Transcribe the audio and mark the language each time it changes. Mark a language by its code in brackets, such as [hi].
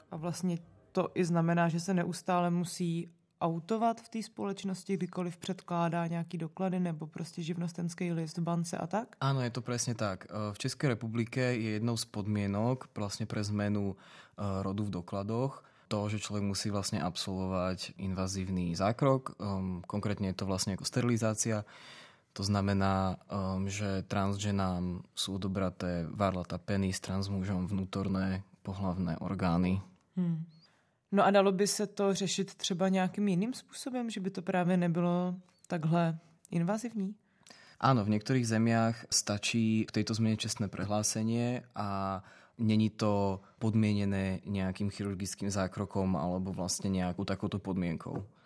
[cs] A vlastně to i znamená, že se neustále musí autovat v té společnosti, kdykoliv předkládá nějaký doklady nebo prostě živnostenský list v bance a tak? Ano, je to přesně tak. V České republice je jednou z podmínek vlastně pro změnu rodu v dokladoch to, že člověk musí vlastně absolvovat invazivní zákrok. Konkrétně je to vlastně jako sterilizace. [sk] To znamená, že transženám sú odobraté varlata penis, transmužom vnútorné pohlavné orgány. Hmm. [cs] No a dalo by se to řešit třeba nějakým jiným způsobem, že by to právě nebylo takhle invazivní? [sk] Áno, [cs] v některých zemích stačí v této změně čestné prohlášení a není to podmíněné nějakým chirurgickým [sk] zákrokom alebo [cs] vlastně nějakou takovou podmínkou.